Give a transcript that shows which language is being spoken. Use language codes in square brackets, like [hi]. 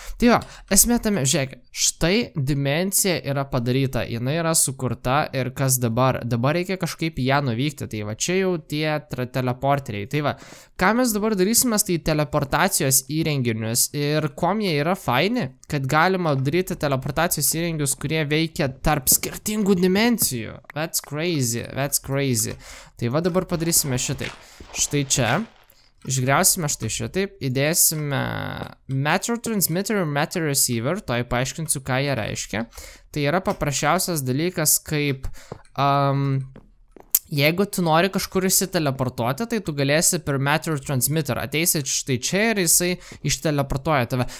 [lt] Tai jo, esmė tame, žiūrėk, štai dimensija yra padaryta, jinai yra sukurta ir kas dabar? Dabar reikia kažkaip ją nuvykti, tai va, čia jau tie teleporteriai. Tai va, ką mes dabar darysime, tai teleportacijos įrenginius ir kuom jie yra faini, kad galima daryti teleportacijos įrenginius, kurie veikia tarp skirtingų dimensijų. [en] That's crazy, that's crazy. [lt] Tai va dabar padarysime šitaip. Štai čia, išgriausime štai šitaip, įdėsime Matter Transmitter ir Matter Receiver, to įpaaiškinsiu, ką jie reiškia. Tai yra paprasčiausias dalykas, kaip jeigu tu nori kažkur įsiteleportuoti, tai tu galėsi per Matter Transmitter, ateisi štai čia ir jisai išteleportuoja tave.